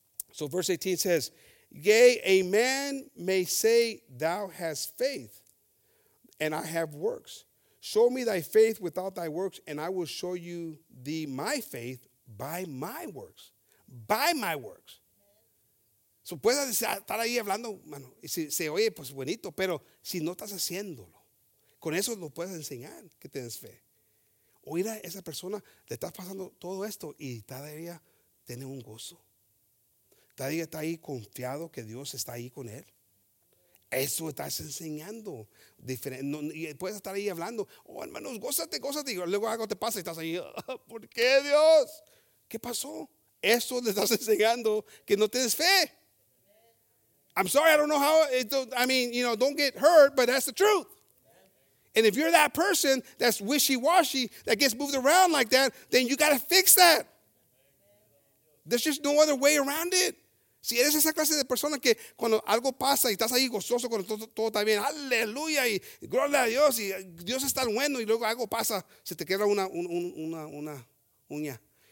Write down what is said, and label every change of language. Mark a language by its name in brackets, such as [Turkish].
[English] So verse 18 says, yea, a man may say, thou hast faith and I have works. Show me thy faith without thy works, and I will show you thee my faith by my works. By my works. [Spanish] So puedes estar ahí hablando, mano, y se oye, pues bonito, pero si no estás haciéndolo, con eso lo puedes enseñar que tienes fe. Oír a esa persona, le estás pasando todo esto y todavía tiene un gozo. Todavía está ahí confiado que Dios está ahí con él. Eso estás enseñando. No, y puedes estar ahí hablando, oh, hermano, gózate. Y luego algo te pasa y estás ahí, ¿por qué, Dios? ¿Qué pasó? Eso le estás enseñando que no tienes fe. [English] I'm sorry, I don't know how, don't get hurt, but that's the truth. And if you're that person that's wishy-washy, that gets moved around like that, then you got to fix that. There's just no other way around it. [Spanish] Si eres esa clase de persona que cuando algo pasa y estás ahí gozoso cuando todo está bien, aleluya y gloria a Dios y Dios es tan bueno, y luego algo pasa, se te queda una uña.